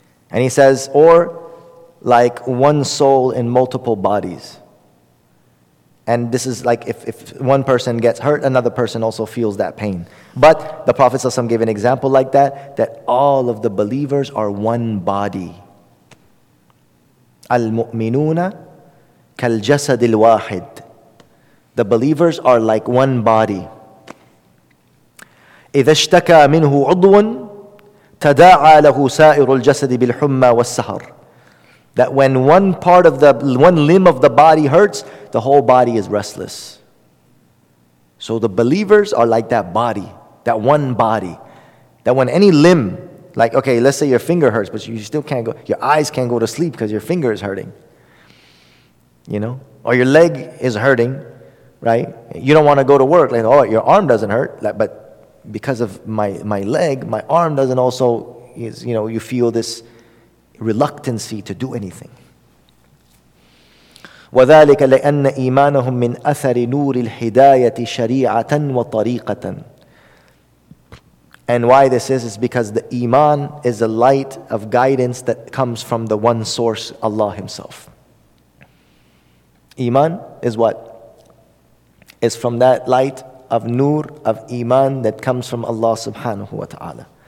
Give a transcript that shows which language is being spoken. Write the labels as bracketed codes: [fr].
[en] And he says, or like one soul in multiple bodies. And this is like if one person gets hurt, another person also feels that pain. But the Prophet ﷺ gave an example like that, that all of the believers are one body. [ar] المؤمنون كالجسد الواحد. [en] The believers are like one body. [ar] إذا اشتكى منه عضو تداعى له سائر الجسد بالحمى والسهر. [en] That when one part of the, one limb of the body hurts, the whole body is restless. So the believers are like that body, that one body. That when any limb, like, okay, let's say your finger hurts, but you still can't go, your eyes can't go to sleep because your finger is hurting. You know? Or your leg is hurting, right? You don't want to go to work. Like, oh, your arm doesn't hurt. Like, but because of my leg, my arm doesn't also, is, you know, you feel this reluctancy to do anything. [ar] وذلك لأن إيمانهم من أثر نور الهداية شريعة وطريقة. [en] And why this is because the iman is a light of guidance that comes from the one source, Allah Himself. Iman is what? Is from that light of nur of iman that comes from Allah Subhanahu wa Taala.